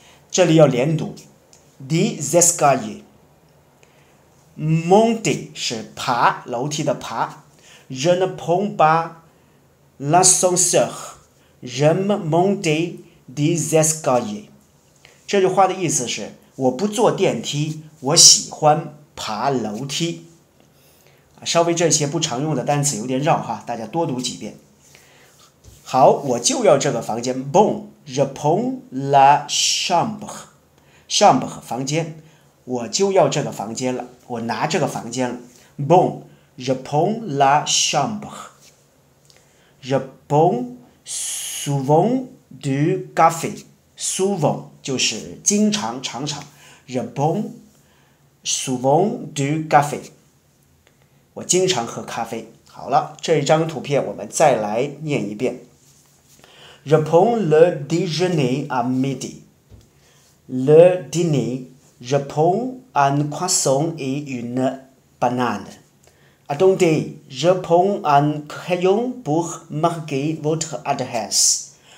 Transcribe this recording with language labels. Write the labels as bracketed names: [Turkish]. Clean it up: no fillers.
[Chinese] 这里要连读 [French] ，des escaliers， monter [Chinese] 是爬楼梯的爬 [French] ，je ne prends pas l'ascenseur, j'aime monter des escaliers。 [Chinese] 这句话的意思是，我不坐电梯，我喜欢爬楼梯。稍微这些不常用的单词有点绕哈，大家多读几遍。好，我就要这个房间。 [French] Bon, je prends la chambre, [Chinese] chambre 房间，我就要这个房间了，我拿这个房间了。 [French] Bon, je prends la chambre。 Je prends souvent du café. [Chinese] Souvent 就是经常常常。 [French] Je prends souvent du café. [Chinese] 我经常喝咖啡。好了，这一张图片我们再来念一遍。 [French] Je prends le déjeuner à midi. Le dîner, je prends un croissant et une banane. Attendez, je prends un crayon pour marquer votre adresse.